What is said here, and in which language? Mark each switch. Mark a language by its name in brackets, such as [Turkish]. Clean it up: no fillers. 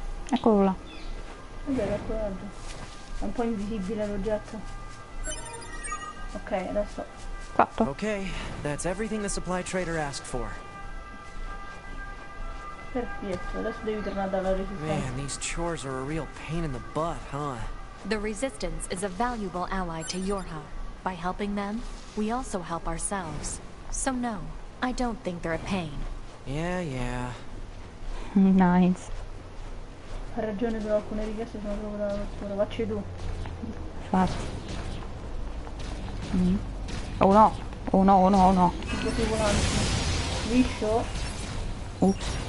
[Italian] Eccolo là. Vabbè, eccolo là giù. È un po' invisibile l'oggetto. Ok, adesso. Fatto. [English] Ok, that's everything the supply trader asked for. [Italian] Perfetto, adesso devi tornare dalla resistenza. [English] Man, these chores are a real pain in the butt, huh? The resistance is a valuable ally to Yorha. By helping them, we also help ourselves. So no, I don't think they're a pain. Yeah, yeah. Nice. [Italian] Ha ragione, però alcune richieste sono proprio dalla rottura. Vacci tu. Fatto. Oh no, oh no, oh no, oh no. Liscio? Ups.